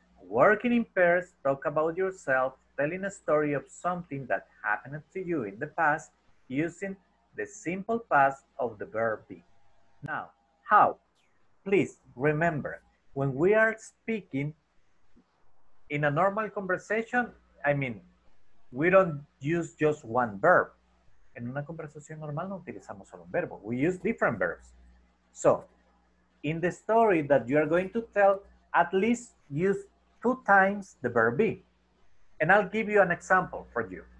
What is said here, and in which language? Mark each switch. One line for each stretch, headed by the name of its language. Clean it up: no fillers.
English: Working in pairs, talk about yourself, telling a story of something that happened to you in the past using the simple past of the verb be. Now, how? Please remember, when we are speaking in a normal conversation, I mean, we don't use just one verb.
Spanish: En una conversación normal no utilizamos solo un verbo.
English: We use different verbs. So, in the story that you are going to tell, at least use two times the verb be. And I'll give you an example for you.